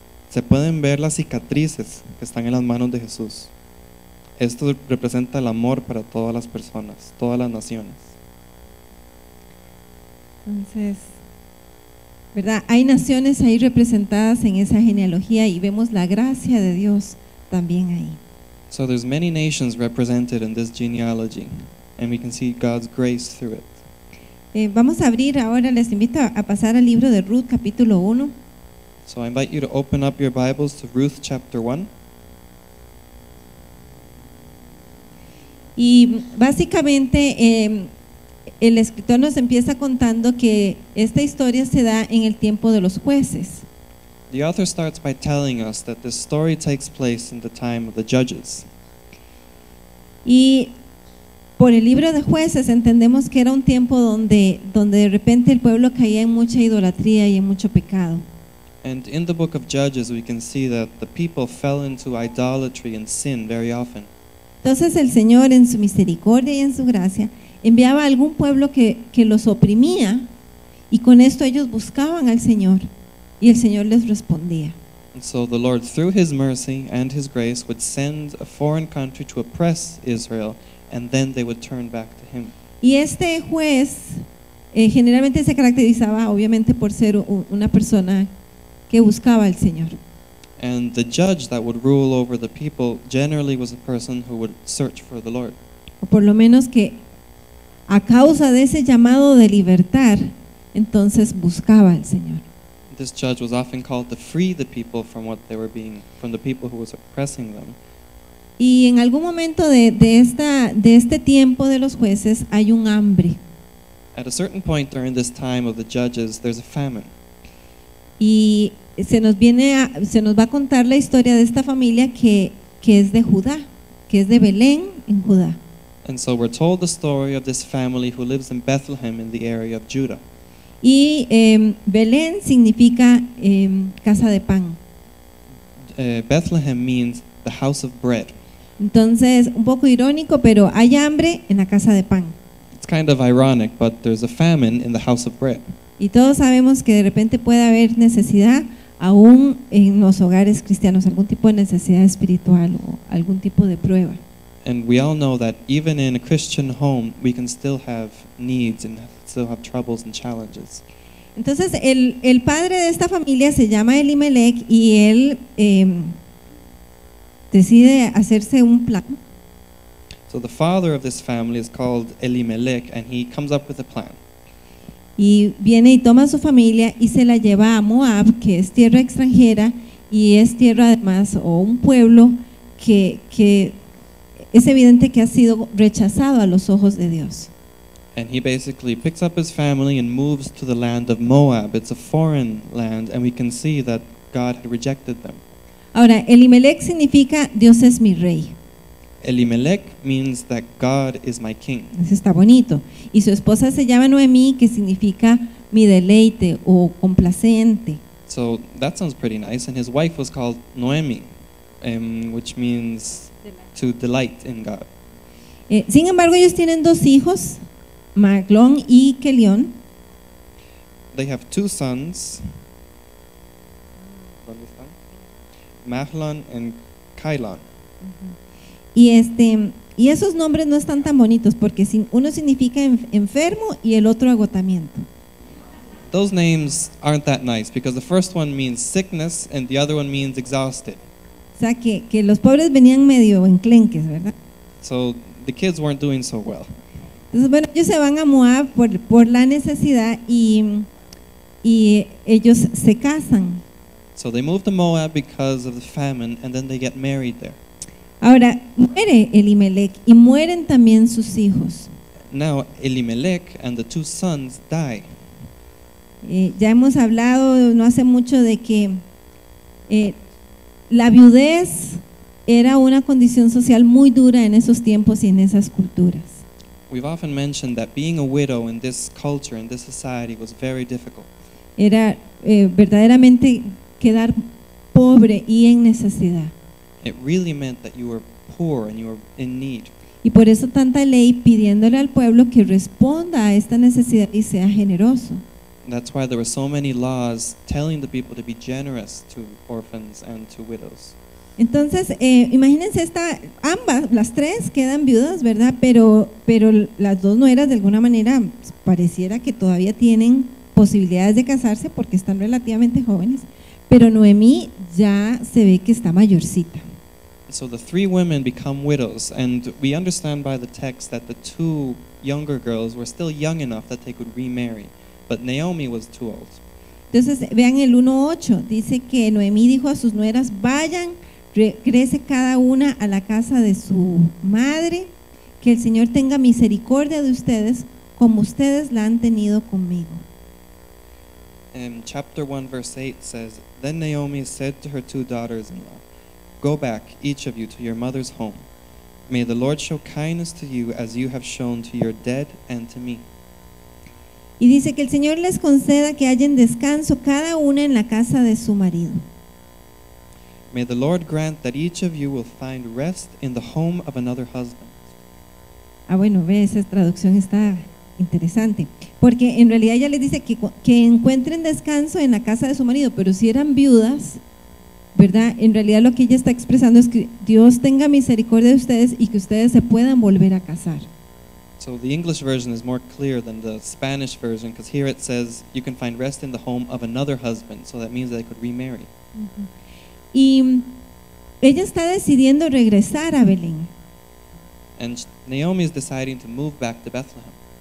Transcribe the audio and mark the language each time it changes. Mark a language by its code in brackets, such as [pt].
[es] Se pueden ver las cicatrices que están en las manos de Jesús. Esto representa el amor para todas las personas, todas las naciones. Entonces, ¿verdad? Hay naciones ahí representadas en esa genealogía y vemos la gracia de Dios también ahí. [en] So there's many nations represented in this genealogy, and we can see God's grace through it. [es] Vamos a abrir ahora, les invito a pasar al libro de Ruth, capítulo 1. [en] So I invite you to open up your Bibles to Ruth, chapter 1. [es] Y básicamente, el escritor nos empieza contando que esta historia se da en el tiempo de los jueces. [en] The author starts by telling us that this story takes place in the time of the judges. [es] Y por el libro de jueces entendemos que era un tiempo donde de repente el pueblo caía en mucha idolatría y en mucho pecado. [en] And in the book of Judges we can see that the people fell into idolatry and sin very often. [es] Entonces el Señor en su misericordia y en su gracia enviaba a algún pueblo que los oprimía y con esto ellos buscaban al Señor. Y el Señor les respondía. [en] So the Lord, through His mercy and His grace, would send a foreign country to oppress Israel, and then they would turn back to Him. [es] Y este juez generalmente se caracterizaba, obviamente, por ser una persona que buscaba al Señor. [en] And the judge that would rule over the people generally was a person who would search for the Lord. [es] O por lo menos que a causa de ese llamado de libertar, entonces buscaba al Señor. [en] This judge was often called to free the people from what they were being, from the people who was oppressing them. [es] Y en algún momento de este tiempo de los jueces hay un hambre. [en] At a certain point during this time of the judges, there's a famine. [es] Y se nos va a contar la historia de esta familia que es de Judá, que es de Belén en Judá. [en] And so we're told the story of this family who lives in Bethlehem in the area of Judah. [es] Y Belén significa casa de pan. [en] Bethlehem means the house of bread. [es] Entonces, un poco irónico, pero hay hambre en la casa de pan. [en] It's kind of ironic, but there's a famine in the house of bread. [es] Y todos sabemos que de repente puede haber necesidad aún en los hogares cristianos, algún tipo de necesidad espiritual o algún tipo de prueba. [en] And we all know that even in a Christian home, we can still have needs and still have troubles and challenges. [es] Entonces el padre de esta familia se llama Elimelech y él decide hacerse un plan. [en] So the father of this family is called Elimelech and he comes up with a plan. [es] Y viene y toma a su familia y se la lleva a Moab, que es tierra extranjera y es tierra además o un pueblo que es evidente que ha sido rechazado a los ojos de Dios. [en] And he basically picks up his family and moves to the land of Moab. It's a foreign land, and we can see that God had rejected them. [es] Ahora, Elimelech significa Dios es mi rey. [en] Elimelech means that God is my king. [es] Eso está bonito. Y su esposa se llama Noemí, que significa mi deleite o complaciente. [en] So that sounds pretty nice. And his wife was called Noemi, which means to delight in God. [es] Sin embargo, ellos tienen dos hijos. Maglón y Kelión. [en] They have two sons. [es] ¿Dónde están? [en] Mahlon and Kilon. Uh-huh. [es] Y esos nombres no están tan bonitos porque uno significa enfermo y el otro agotamiento. [en] Those names aren't that nice because the first one means sickness and the other one means exhausted. [es] O sea que los pobres venían medio enclenques, ¿verdad? [en] So the kids weren't doing so well. [es] Entonces, bueno, ellos se van a Moab por la necesidad y ellos se casan. [en] So they move to Moab because of the famine and then they get married there. [es] Ahora, muere Elimelech y mueren también sus hijos. [en] Now, Elimelech and the two sons die. [es] Ya hemos hablado no hace mucho de que la viudez era una condición social muy dura en esos tiempos y en esas culturas. [en] We've often mentioned that being a widow in this culture, in this society, was very difficult. [es] Era verdaderamente quedar pobre y en necesidad. [en] It really meant that you were poor and you were in need. [es] Y por eso tanta ley pidiéndole al pueblo que responda a esta necesidad y sea generoso. [en] That's why there were so many laws telling the people to be generous to orphans and to widows. [es] Entonces, imagínense esta, ambas, las tres quedan viudas, ¿verdad? Pero las dos nueras de alguna manera pareciera que todavía tienen posibilidades de casarse porque están relativamente jóvenes, pero Noemí ya se ve que está mayorcita. [en] So the three women become widows, and we understand by the text that the two younger girls were still young enough that they could remarry, but Naomi was too old. [es] Entonces, vean el 1:8, dice que Noemí dijo a sus nueras, vayan, regrese cada una a la casa de su madre, que el Señor tenga misericordia de ustedes como ustedes la han tenido conmigo. [en] In chapter 1 verse 8 says, then Naomi said to her two daughters-in-law, go back, each of you, to your mother's home. May the Lord show kindness to you as you have shown to your dead and to me. [es] Y dice que el Señor les conceda que hayan descanso cada una en la casa de su marido. [en] May the Lord grant that each of you will find rest in the home of another husband. [es] Ah, bueno, ve, esa traducción está interesante. Porque en realidad ella les dice que encuentren descanso en la casa de su marido, pero si eran viudas, ¿verdad? En realidad lo que ella está expresando es que Dios tenga misericordia de ustedes y que ustedes se puedan volver a casar. [en] So the English version is more clear than the Spanish version, because here it says you can find rest in the home of another husband, so that means that they could remarry. [es] Y ella está decidiendo regresar a Belén. [en] And Naomi is deciding to move back to Bethlehem.